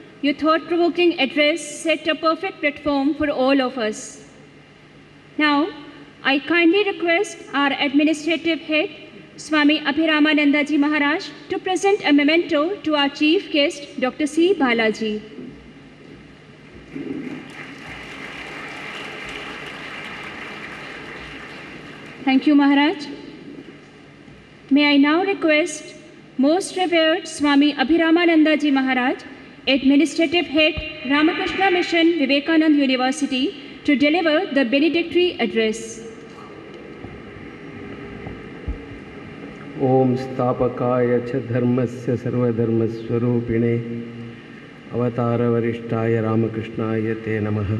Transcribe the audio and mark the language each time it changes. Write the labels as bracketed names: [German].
[English] You thought provoking address set a perfect platform for all of us. Now I kindly request our administrative head, Swami Abhiramanandaji Maharaj, to present a memento to our chief guest, Dr. C. Balaji. Thank you, Maharaj. May I now request most revered Swami Abhiramanandaji Maharaj, administrative head, Ramakrishna Mission, Vivekanand University, to deliver the benedictory address. [Sanskrit] ஓம் ஸ்தாபகாய ச தர்மஸ்ய சர்வ தர்ம ஸ்வரூபிணே அவதார வரிஷ்டாய ராமகிருஷ்ணாய தே நம.